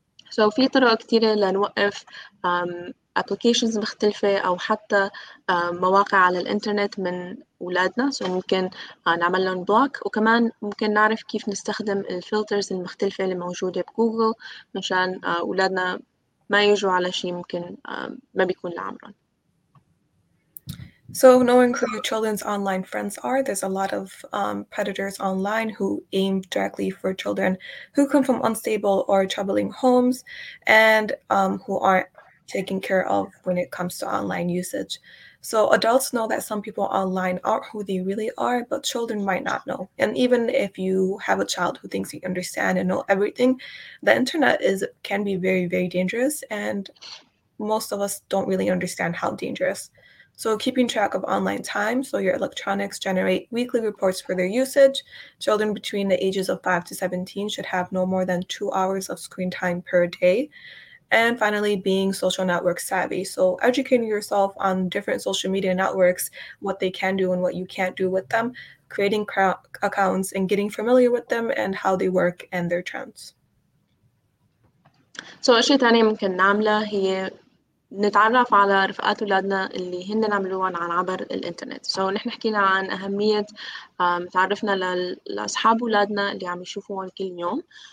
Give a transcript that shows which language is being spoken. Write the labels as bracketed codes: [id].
[ar] سو في طرق كتيرة لنوقف أبليكيشنز مختلفة أو حتى مواقع على الإنترنت من أولادنا، سو ممكن نعمل لهم بلوك، وكمان ممكن نعرف كيف نستخدم الفلترز المختلفة اللي موجودة بجوجل مشان أولادنا ما يجوا على شيء ممكن ما بيكون لعمرهم. [en] So knowing who your children's online friends are, there's a lot of predators online who aim directly for children who come from unstable or troubling homes and who aren't taken care of when it comes to online usage. So adults know that some people online aren't who they really are, but children might not know. And even if you have a child who thinks you understand and know everything, the internet can be very, very dangerous. And most of us don't really understand how dangerous. So keeping track of online time, so your electronics generate weekly reports for their usage. Children between the ages of 5 to 17 should have no more than 2 hours of screen time per day. And finally, being social network savvy. So educating yourself on different social media networks, what they can do and what you can't do with them, creating accounts and getting familiar with them and how they work and their trends. [ar] So أشياء تانية ممكن نعملها هي نتعرف على رفقات أولادنا اللي هن نعملوهم عن عبر الإنترنت. So نحن حكينا عن أهمية تعرفنا لأصحاب أولادنا اللي عم يشوفوهم كل يوم.